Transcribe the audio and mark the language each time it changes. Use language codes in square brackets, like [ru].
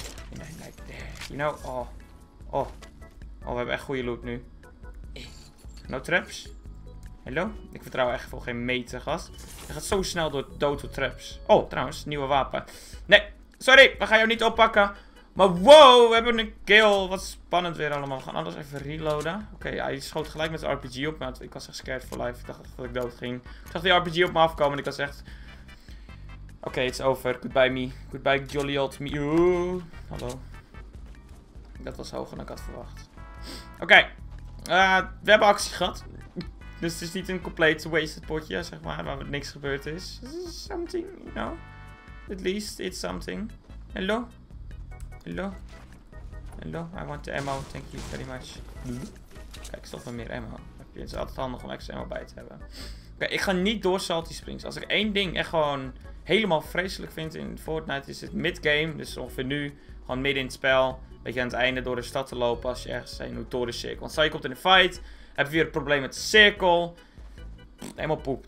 [nl] En dan [en] like that. You know? [nl] Oh, we hebben echt goede loot nu. [en] No traps. Hello? [nl] Ik vertrouw echt voor geen meter, gast. Hij gaat zo snel door dood door traps. Oh, trouwens, nieuwe wapen. Nee, sorry, we gaan jou niet oppakken. Maar wow, we hebben een kill. Wat spannend weer allemaal. We gaan alles even reloaden. Oké, hij schoot gelijk met de RPG op me. Ik was echt [en] scared for life. [nl] Ik dacht dat ik dood ging. Ik zag die RPG op me afkomen en ik was echt... [en] Oké, it's over. Goodbye me. Goodbye jolly old me. Ooh. [nl] Hallo. Dat was hoger dan ik had verwacht. Oké, we hebben actie gehad. Dus het is niet een compleet wasted potje, zeg maar, waar niks gebeurd is. [en] This is something, you know. At least it's something. Hello? Hello? Hello? I want the ammo, thank you very much. [nl] Kijk, stop maar meer ammo. Het is altijd handig om extra ammo bij te hebben. Oké, ik ga niet door salty springs. Als ik één ding echt gewoon helemaal vreselijk vind in Fortnite, is het mid-game. Dus ongeveer nu, gewoon midden in het spel. Dat je aan het einde door de stad te lopen als je ergens zijn door de cirkel. Want stel je komt in een fight, heb je weer een probleem met de cirkel. Helemaal poep.